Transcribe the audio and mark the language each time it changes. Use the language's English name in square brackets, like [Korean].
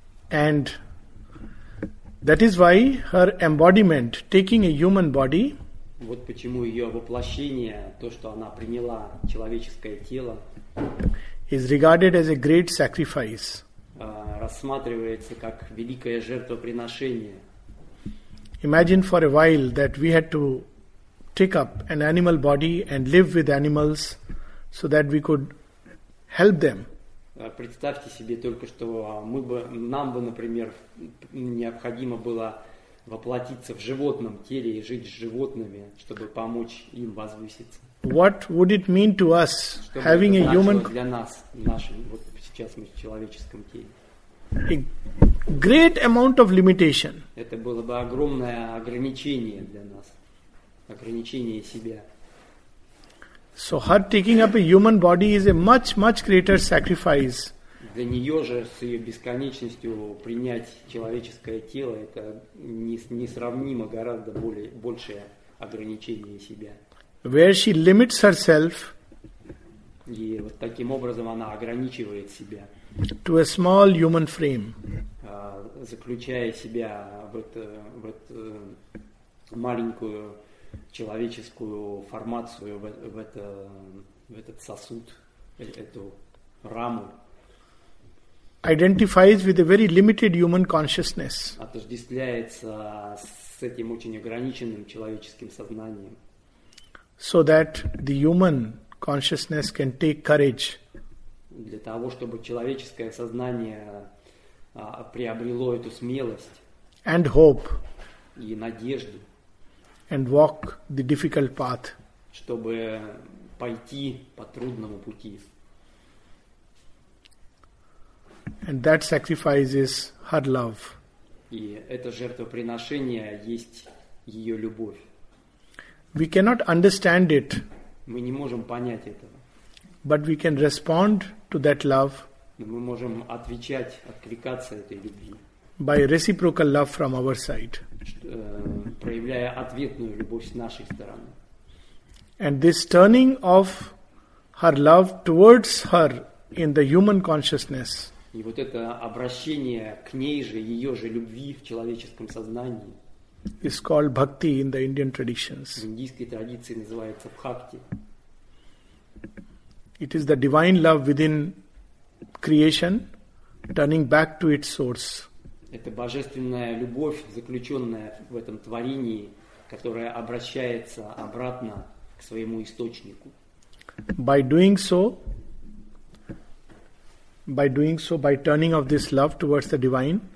[English] And that is why her embodiment, taking a human body, [Russian] вот почему ее воплощение, то, что она приняла человеческое тело, [English] is regarded as a great sacrifice. [Russian] Рассматривается как великое жертвоприношение. [English] Imagine for a while that we had to take up an animal body and live with animals so that we could help them. [Russian] Представьте себе только, что нам бы, например, необходимо было воплотиться в животном теле и жить с животными, чтобы помочь им возвыситься. [English] What would it mean to us, having a human... [Russian] для нас, нашим, вот сейчас мы в человеческом теле. [English] A great amount of limitation. [Russian] Это было бы огромное ограничение для нас, ограничение себя. [English] So her taking up a human body is a much, much greater sacrifice. [Russian] Для нее же с ее бесконечностью принять человеческое тело – это несравнимо гораздо большее ограничение себя. [English] Where she limits herself. [Russian] И вот таким образом она ограничивает себя. [English] To a small human frame. [Russian] Заключая себя в эту маленькую человеческую формацию в этот сосуд, эту раму. [English] Identifies with a very limited human consciousness. [Russian] Отождествляется с этим очень ограниченным человеческим сознанием. [English] So that the human consciousness can take courage. [Russian] Для того, чтобы человеческое сознание приобрело эту смелость. [English] And hope. [Russian] И надежду. [English] And walk the difficult path. [Russian] Чтобы пойти по трудному пути. [English] And that sacrifice is her love. [Russian] И это жертвоприношение есть ее любовь. [English] We cannot understand it. [Russian] Мы не можем понять этого. [English] But we can respond to that love. [Russian] Но мы можем отвечать, откликаться этой любви. [English] By reciprocal love from our side. [Russian] Проявляя ответную любовь с нашей стороны. [English] And this turning of her love towards her in the human consciousness. [Russian] И вот это обращение к ней же, ее же любви в человеческом сознании. [English] Is called bhakti in the Indian traditions. [Russian] В индийской традиции называется бхакти. [English] It is the divine love within creation, turning back to its source. [Russian] Это божественная любовь, заключенная в этом творении, которая обращается обратно к своему источнику. [English] By doing so, by turning of this love towards the divine.